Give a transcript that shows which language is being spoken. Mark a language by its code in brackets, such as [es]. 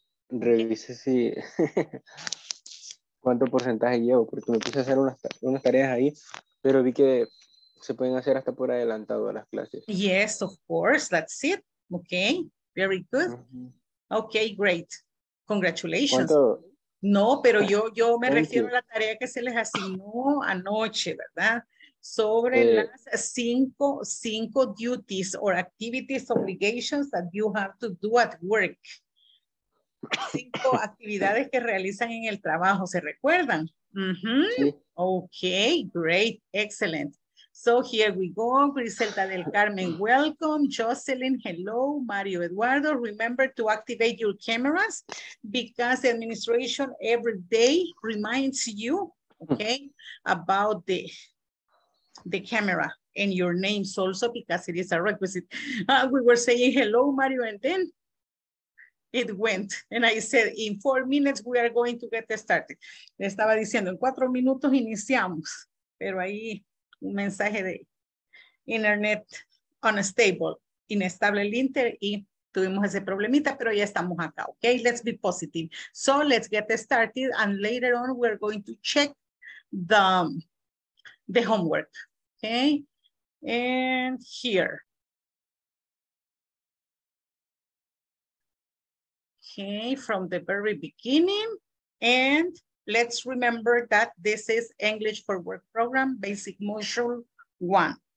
[es] Revise si, cuánto porcentaje llevo, porque me puse a hacer unas tareas ahí, pero vi que se pueden hacer hasta por adelantado a las clases. [en] Yes, of course, that's it. Okay, very good. Okay, great. Congratulations. [es] ¿Cuánto? No, pero yo me refiero a la tarea que se les asignó anoche, ¿verdad? Sobre las cinco [en] duties or activities, obligations that you have to do at work. [es] Cinco actividades que realizan en el trabajo, ¿se recuerdan? Sí. [en] Okay, great, excellent. So here we go, Griselda del Carmen, welcome. Jocelyn, hello. Mario Eduardo, remember to activate your cameras because the administration every day reminds you, okay, about the camera and your names also because it is a requisite. We were saying hello, Mario, and then it went. And I said, in 4 minutes, we are going to get started. [es] Le estaba diciendo, en 4 minutos iniciamos, pero ahí... un mensaje de internet unstable, inestable el inter y tuvimos ese problemita, pero ya estamos acá, okay? [en] Let's be positive. So let's get started and later on we're going to check the homework, okay? And here. Okay, from the very beginning and let's remember that this is English for Work program, basic module 1.